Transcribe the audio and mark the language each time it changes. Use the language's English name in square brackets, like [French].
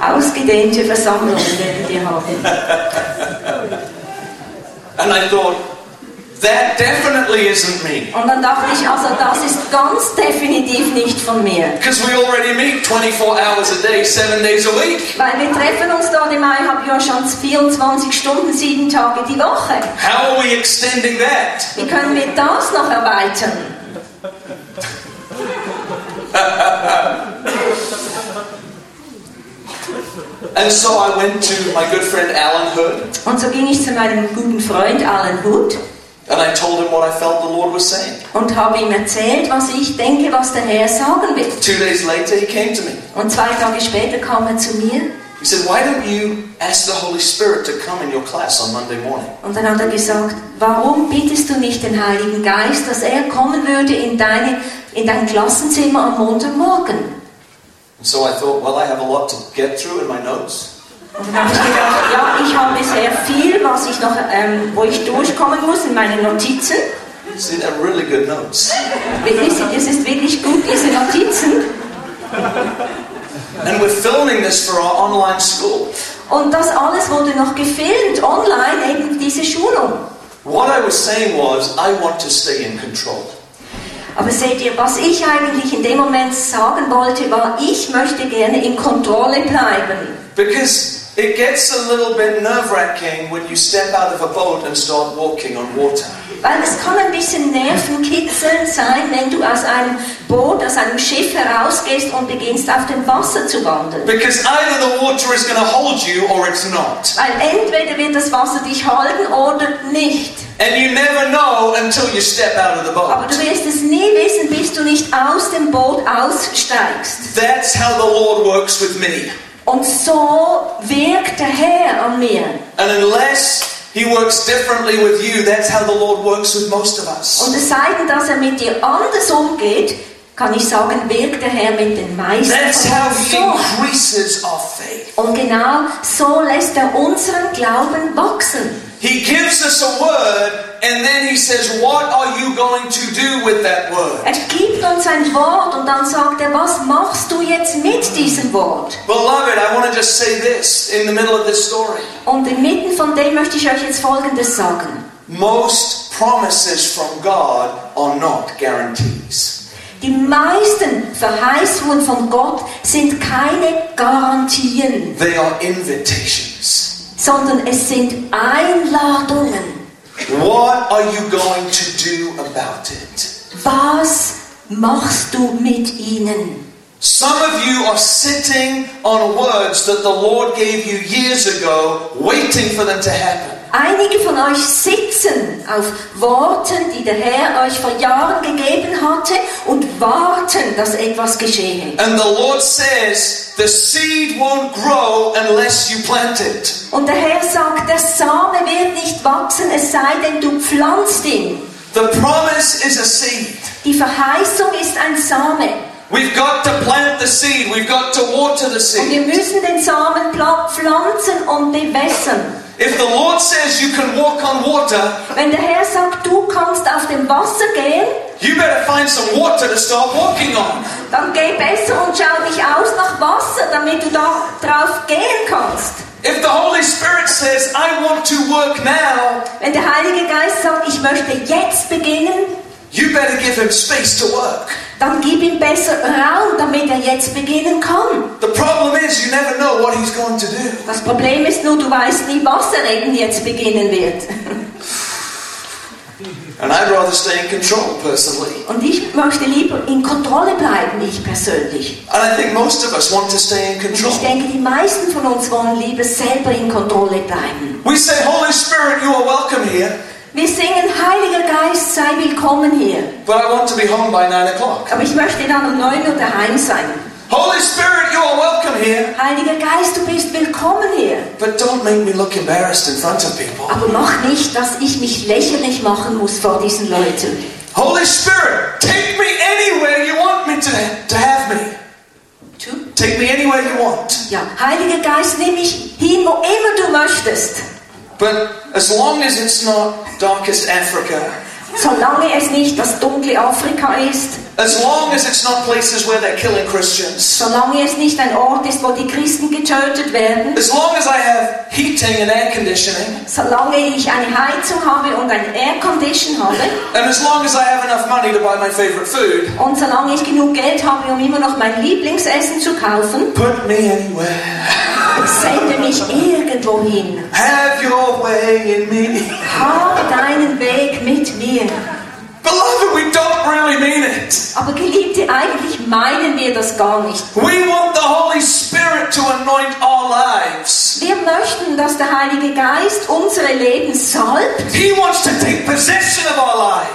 [German] Ausgedehnte Versammlungen werden die haben. [English] And I thought, that definitely isn't me. [German] Und dann dachte ich, also das ist ganz definitiv nicht von mir. [English] Because we already meet 24 hours a day, 7 days a week. [German] Weil wir treffen uns dort im Mai, habe ja schon 24 Stunden, 7 Tage die Woche. [English] How are we extending that? [German] Wie können wir das noch erweitern? [English] And so I went to my good friend Alan Hood. [German] Und so ging ich zu meinem guten Freund Alan Hood. [English] And I told him what I felt the Lord was saying. [German] Und habe ihm erzählt, was ich denke, was der Herr sagen will. [English] 2 days later, he came to me. [German] Und 2 Tage später kam zu mir. [English] He said, "Why don't you ask the Holy Spirit to come in your class on Monday morning?" [German] Und dann hat gesagt, warum bittest du nicht den Heiligen Geist, dass kommen würde in dein Klassenzimmer am Montagmorgen? [English] And so I thought, well, I have a lot to get through in my notes. [German] Und dann habe ich gedacht, ja, ich habe sehr viel, was ich noch, wo ich durchkommen muss in meinen Notizen. Sind das [English] really good notes? [German] Wirklich, es ist wirklich gut, diese Notizen. [English] And we're filming this for our online school. [German] Und das alles wurde noch gefilmt online eben diese Schulung. [English] What I was saying was, I want to stay in control. [German] Aber seht ihr, was ich eigentlich in dem Moment sagen wollte, war, ich möchte gerne in Kontrolle bleiben. [English] Because it gets a little bit nerve-wracking when you step out of a boat and start walking on water. [German] Weil es kann ein bisschen nervenkitzelnd sein, wenn du aus einem Boot, aus einem Schiff herausgehst und beginnst auf dem Wasser zu wandern. [English] Because either the water is going to hold you or it's not. [German] Weil entweder wird das Wasser dich halten oder nicht. [English] And you never know until you step out of the boat. [German] Aber du wirst es nie wissen, bis du nicht aus dem Boot aussteigst. [English] That's how the Lord works with me. [German] Und so wirkt der Herr an mir. [English] And unless he works differently with you, that's how the Lord works with most of us. [German] Und es sei denn, dass mit dir anders umgeht, kann ich sagen, wirkt der Herr mit den meisten. [English] That's how he increases our faith. [German] Und genau so lässt unseren Glauben wachsen. [English] He gives us a word, and then he says, "What are you going to do with that word?" [German] Gibt uns ein Wort, und dann sagt was machst du jetzt mit diesem Wort? [English] Beloved, I want to just say this in the middle of this story. [German] Und inmitten von dem möchte ich euch jetzt Folgendes sagen. [English] Most promises from God are not guarantees. [German] Die meisten Verheißungen von Gott sind keine Garantien. [English] They are invitations. [German] Sondern es sind Einladungen. [English] What are you going to do about it? [German] Was machst du mit ihnen? [English] Some of you are sitting on words that the Lord gave you years ago, waiting for them to happen. [German] Einige von euch sitzen auf Worten, die der Herr euch vor Jahren gegeben hatte und warten, dass etwas geschehen. [English] And the Lord says, the seed won't grow unless you plant it. [German] Und der Herr sagt, der Same wird nicht wachsen, es sei denn, du pflanzt ihn. [English] The promise is a seed. [German] Die Verheißung ist ein Same. [English] We've got to plant the seed, we've got to water the seed. [German] Und wir müssen den Samen pflanzen und bewässern. [English] If the Lord says you can walk on water, [German] wenn der Herr sagt, du kannst auf dem Wasser gehen, [English] you better find some water to start walking on. [German] Dann geh besser und schau dich aus nach Wasser, damit du da drauf gehen kannst. [English] If the Holy Spirit says, I want to work now, [German] wenn der Heilige Geist sagt, ich möchte jetzt beginnen, [English] You better give him space to work. [German] Dann gib ihm besser Raum, damit er jetzt beginnen kann. [English] The problem is, you never know what he's going to do. [German] Das Problem ist nur, du weißt nie, was er eben jetzt beginnen wird. [English] And I'd rather stay in control, personally. [German] Und ich möchte lieber in Kontrolle bleiben, ich persönlich. [English] And I think most of us want to stay in control. [German] Und ich denke, die meisten von uns wollen lieber selber in Kontrolle bleiben. [English] We say, Holy Spirit, you are welcome here. [German] Wir singen, Heiliger Geist, sei willkommen hier. [English] But I want to be home by 9 o'clock. [German] Aber ich möchte dann um 9 Uhr daheim sein. [English] Holy Spirit, you are welcome here. [German] Heiliger Geist, du bist willkommen hier. [English] But don't make me look embarrassed in front of people. [German] Aber mach nicht, dass ich mich lächerlich machen muss vor diesen Leuten. [English] Holy Spirit, take me anywhere you want me to have me. To? Take me anywhere you want. [German] Ja, Heiliger Geist, nimm mich hin, wo immer du möchtest. [English] But as long as it's not darkest Africa. [German] Solange es nicht das dunkle Afrika ist. [English] As long as it's not places where they're killing Christians. [German] Solange es nicht ein Ort ist, wo die Christen getötet werden. [English] As long as I have heating and air conditioning. [German] Solange ich eine Heizung habe und ein Air Condition habe. [English] And as long as I have enough money to buy my favorite food. [German] Und solange ich genug Geld habe, um immer noch mein Lieblingsessen zu kaufen. [English] Put me anywhere. [German] Sende mich irgendwohin. [English] Have your way in me. [German] Hab deinen Weg mit mir. [English] Beloved, we don't really mean it. [German] Aber Geliebte, eigentlich meinen wir das gar nicht. [English] We want the Holy Spirit to anoint our lives. [German] Wir möchten, dass der Heilige Geist unsere Leben salbt. [English] He wants to take possession of our lives.